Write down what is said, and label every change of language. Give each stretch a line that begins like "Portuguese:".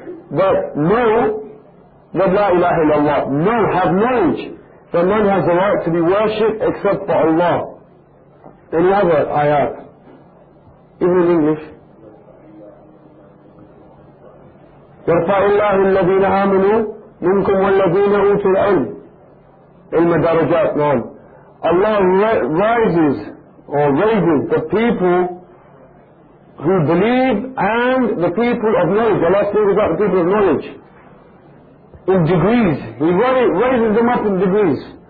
English: But know that
Arabic: لَا إِلَهَ إِلَّا اللَّهِ.
English: Know, have knowledge that none has the right to be worshipped except for Allah. Any other ayat? Even in English?
Arabic: يرفع الله الذين آمنوا منكم والذين أوتوا العلم علم درجات. نعم.
English: Allah rises or raises the people who believe and the people of knowledge. Allah speaks about the people of knowledge in degrees. He raises them up in degrees.